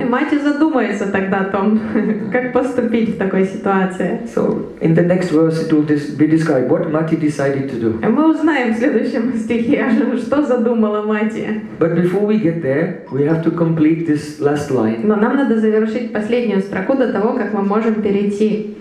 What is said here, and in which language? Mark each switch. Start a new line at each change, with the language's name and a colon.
Russian: И Марти задумается тогда о том, как поступить в такой ситуации.
English: So in the next verse it will be described what Marty decided to do.
Russian: И мы узнаем в следующем стихе, что задумала Мати.
English: But before we get there, we have to complete this last line.
Russian: Но нам надо завершить последнюю строку до того, как мы можем перейти